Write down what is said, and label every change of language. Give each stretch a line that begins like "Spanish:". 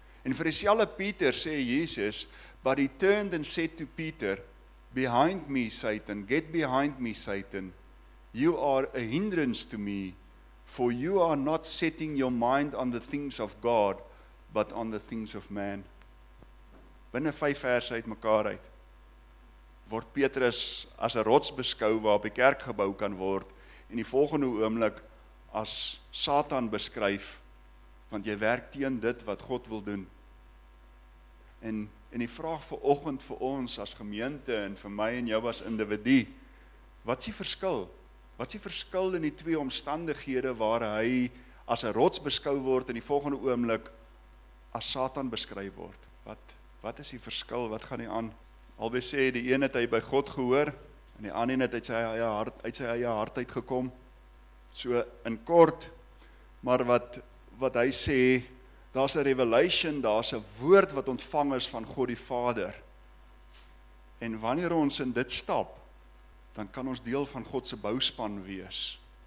Afrikaans: En vir dieselfde Peter sê Jesus,
English: "But he turned and said to Peter, 'Behind me, Satan, get behind me, Satan. You are a hindrance to me, For you are not setting your mind on the things of God, but on the things of man.
Afrikaans: Binne 5 verse uit mekaar uit, word Petrus as 'n rots beskou waarop die kerk gebou kan word, en die volgende oomblik as Satan beskryf, want jy werk teen dit wat God wil doen. En die vraag vir oggend vir ons as gemeente en vir my en jou as individu, wat is die verskil? Wat is die verskil in die twee omstandighede waar hy as 'n rots beskou word en die volgende oomblik as Satan beskryf word? Wat is die verskil? Wat gaan hy aan? Albei sê die een het hy by God gehoor en die ander een het uit sy eie hart uitgekom. So in kort, maar wat hy sê, daar's 'n revelation, daar's 'n woord wat ontvang is van God die Vader. En wanneer ons in dit stap, dan kan ons deel van God se bouspan wees.